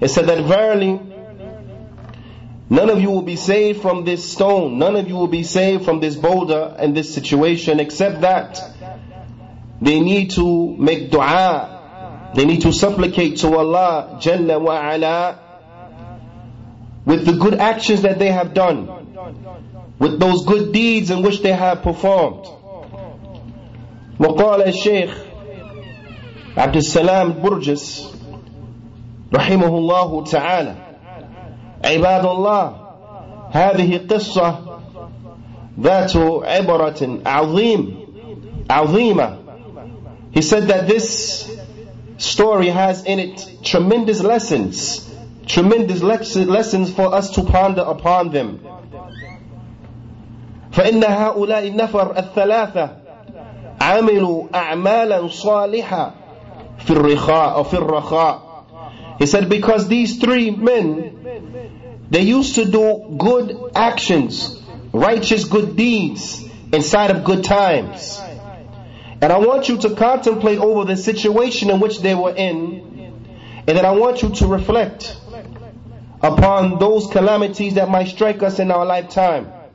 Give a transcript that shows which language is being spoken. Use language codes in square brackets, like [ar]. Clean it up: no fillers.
[en] It said that verily, none of you will be saved from this stone, none of you will be saved from this boulder and this situation, except that they need to make dua, they need to supplicate to Allah Jalla wa Ala with the good actions that they have done, with those good deeds in which they have performed. [ar] وقال الشيخ عبد السلام برجس رحمه الله تعالى عباد الله هذه قصة ذات عبرة عظيمة. [en] He said that this story has in it tremendous lessons for us to ponder upon them. [ar] فإن هؤلاء النفر الثلاثة عملوا أعمالا صالحة في الرخاء أو في الرخاء. [en] He said because these three men, they used to do good actions, righteous good deeds inside of good times. And I want you to contemplate over the situation in which they were in, and then I want you to reflect upon those calamities that might strike us in our lifetime.